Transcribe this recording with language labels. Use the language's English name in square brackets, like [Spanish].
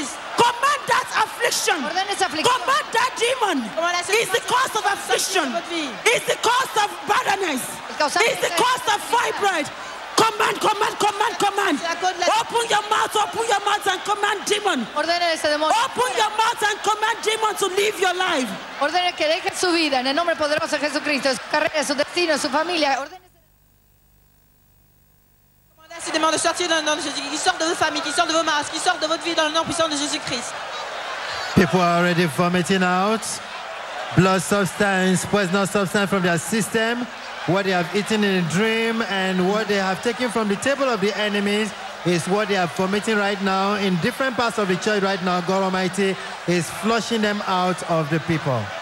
[English] Command that affliction. Command that demon. Is the cause of affliction. Is the cause of barrenness. Is the cause of fibroid. Command, command, command, command. Open your mouth and command demon. [Spanish] Ordene ese demonio. [English] Open your mouth and command demon to leave your life. [Spanish] Ordene que deje su vida en el nombre poderoso de Jesucristo, su carrera, su destino, su familia. Ordene ese demonio de [French] sortir dans le nom de Jésus, qui sort de vos familles, qui sort de vos masques, qui sort de votre vie dans le nom puissant de Jésus-Christ. [English] People are already vomiting out blood substance, poisonous substance from their system. What they have eaten in a dream and what they have taken from the table of the enemies is what they are vomiting right now in different parts of the church right now. God Almighty is flushing them out of the people.